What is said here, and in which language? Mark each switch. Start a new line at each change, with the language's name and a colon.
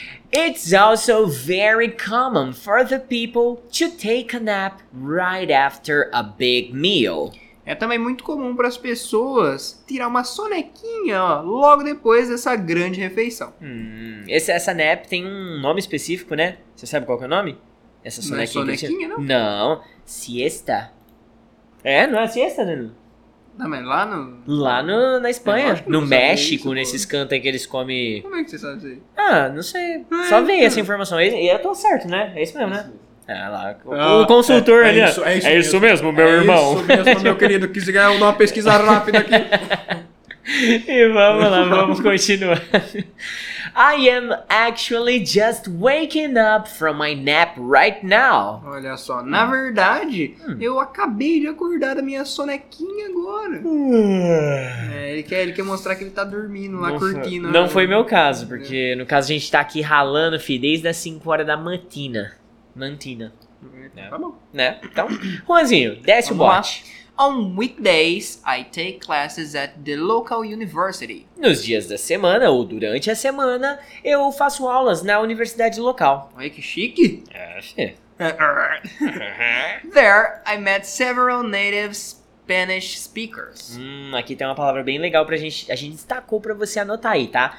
English: It's also very common for the people to take a nap right after a big meal.
Portuguese: É também muito comum para as pessoas tirar uma sonequinha ó, logo depois dessa grande refeição. Essa nap tem um nome específico, né? Você sabe qual que é o nome? Essa sonequinha. Não é sonequinha, que tinha... não? Não. Siesta. É, não é siesta, Danilo? Não, mas lá no... lá no, na Espanha. No México, isso, nesses cantos aí que eles comem... Como é que você sabe disso aí? Ah, não sei. Não, só veio essa informação. E eu tô certo, né? É isso mesmo, né? Ah, lá. O consultor ali. É isso mesmo, meu irmão. É isso mesmo, meu querido. Quis ganhar uma pesquisa rápida aqui. E vamos lá, vamos continuar.
English: I am actually just waking up from my nap right now.
Portuguese: Olha só, na verdade, eu acabei de acordar da minha sonequinha agora. Ele quer mostrar que ele tá dormindo lá curtindo. Não foi meu caso, porque no caso a gente tá aqui ralando, filho, desde as 5 horas da matina. Mantina. Tá bom. Né? Então, Juanzinho, desce o bote.
English: On weekdays, I take classes at the local university.
Portuguese: Nos dias da semana, ou durante a semana, eu faço aulas na universidade local. Olha que chique.
English: There, I met several native Spanish speakers.
Portuguese: Aqui tem uma palavra bem legal pra gente... A gente destacou pra você anotar aí, tá?